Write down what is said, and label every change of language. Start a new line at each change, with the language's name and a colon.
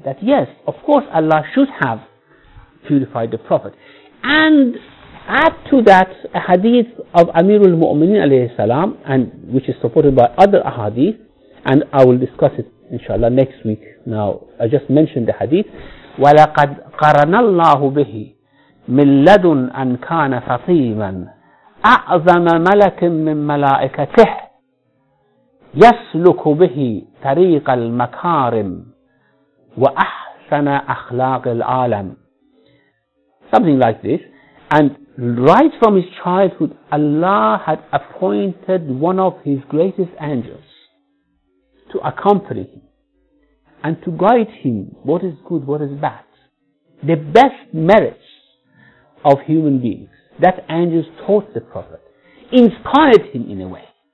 English: That yes, of course Allah should have purified the Prophet. And add to that a hadith of Amirul Mu'mineen alayhi salam, and which is supported by other ahadith, and I will discuss it inshallah next week. Now I just mentioned the hadith,
Arabic: وَلَقَدْ قَرَنَ اللَّهُ بِهِ من لدن أن كان فصيما أعظم ملك من ملائكته يسلك به طريق المكارم وأحسن أخلاق العالم.
English: Something like this. And right from his childhood, Allah had appointed one of his greatest angels to accompany him and to guide him what is good, what is bad. The best merits of human beings, that angel taught the Prophet, inspired him in a way.